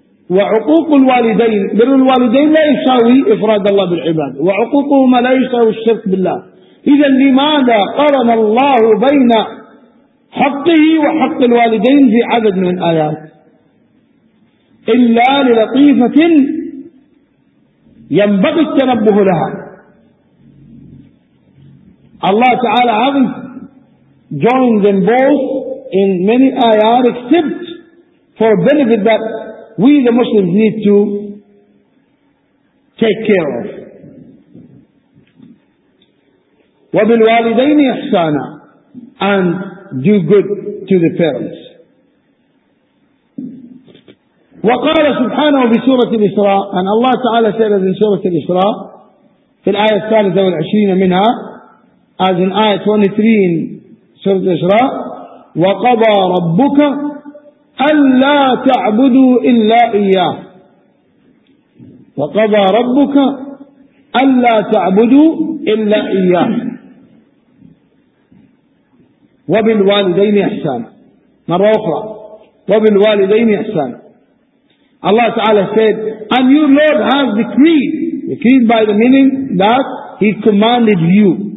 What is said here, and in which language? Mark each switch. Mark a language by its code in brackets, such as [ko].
[ar] وعقوق الوالدين، بر الوالدين لا يساوي إفراد الله بالعبادة، وعقوقهما لا يساوي الشرك بالله. إذا لماذا قرن الله بين حقه وحق الوالدين في عدد من الآيات؟ إلا للطيفة ينبغي التنبه لها. [en] الله تعالى hasn't joined them both in many ayat except for benefit that we the Muslims need to take care of. [ar] وَبِالْوَالِدَيْنِ إِحْسَانًا [en] and do good to the parents. [ar] وقال سبحانه في سورة الإسراء أن الله تعالى سأل في سورة الإسراء في الآية 23 منها [en] as in [ar] آية 23 in سورة الإسراء وَقَضَى رَبُّكَ أَلَّا تَعْبُدُوا إِلَّا إِيَّاهِ وَقَضَى رَبُّكَ أَلَّا تَعْبُدُوا إِلَّا إِيَّاهِ وَبِالْوَالِدَيْنِ إِحْسَانًا مرة أخرى وَبِالْوَالِدَيْنِ إِحْسَانًا. [en] Allah Ta'ala said, and your Lord has decreed, decreed by the meaning that He commanded you.